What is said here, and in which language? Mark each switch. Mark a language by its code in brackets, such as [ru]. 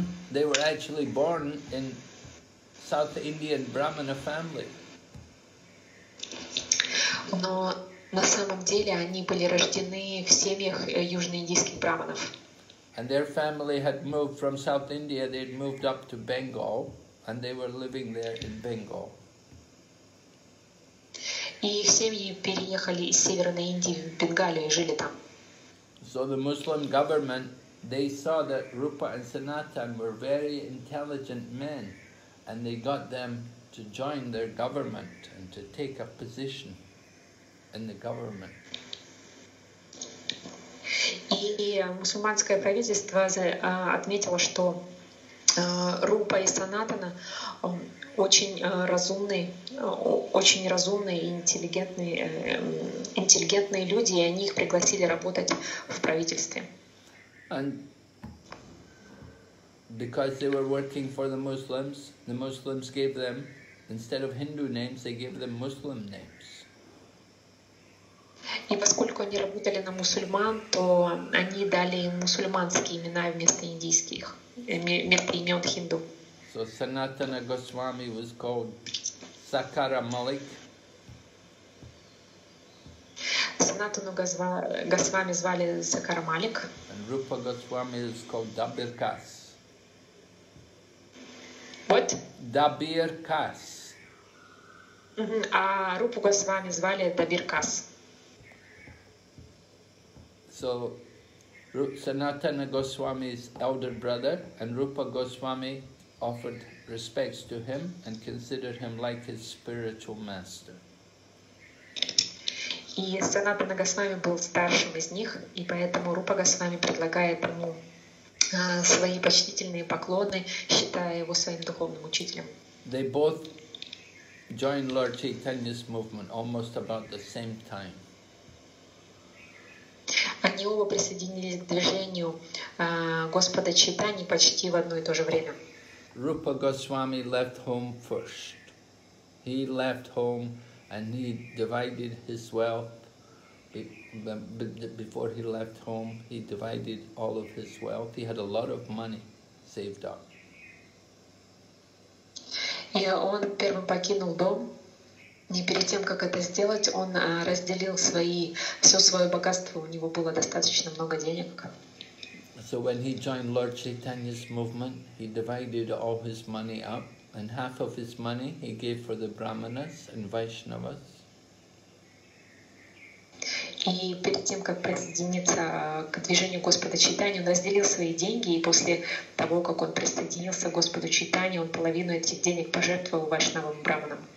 [en] They were actually born in South Indian Brahmana family. [ru] Но на самом деле они были рождены в семьях южноиндийских браманов. [en] And their family had moved from South India, they had moved up to Bengal, and they were living there in Bengal. [ru] И их семьи переехали из Северной Индии в Бенгалию и жили там. [en] So the Muslim government, they saw that Rupa and Sanatan were very intelligent men, and they got them to join their government and to take a position in the government. [ru] И мусульманское правительство отметило, что Рупа и Санатана очень разумные и интеллигентные люди, и они их пригласили работать в правительстве. [en] And because they were working for the Muslims gave them, instead of Hindu names, they gave them Muslim names. [ru] И поскольку они работали на мусульман, то они дали им мусульманские имена вместо индийских, вместо имен хинду. [en] So Sanatana Goswami was called Sakara Malik. [ru] Санатану Госвами звали Сакара Малик. [en] And Rupa Goswami is called Dabir Kas. What? Dabir Kas. [ru] А Рупу Госвами звали Дабир Кас. [en] So, Sanatana Goswami's elder brother, and Rupa Goswami offered respects to him and considered him like his spiritual master. [ru] И Санатана Госвами был старшим из них, и поэтому Рупа Госвами предлагает ему свои почтительные поклоны, считая его своим духовным учителем. [en] They both joined Lord Chaitanya's movement almost about the same time. [ru] Они оба присоединились к движению Господа Чайтаньи почти в одно и то же время. [en] Rupa Goswami left home first. He left home and he divided his wealth. Before he left home, he divided all of his wealth. He had a lot of money saved up. [ru] И он первым покинул дом. И перед тем, как это сделать, он разделил все свое богатство. У него было достаточно много денег. [en] So when he joined Lord Chaitanya's movement, he divided all his money up. And half of his money he gave for the Brahmanas and Vaishnavas. [ru] И перед тем, как присоединиться к движению Господа Чайтаньи, он разделил свои деньги, и после того, как он присоединился к Господу Чайтаньи, он половину этих денег пожертвовал Вайшнавам Брахманам.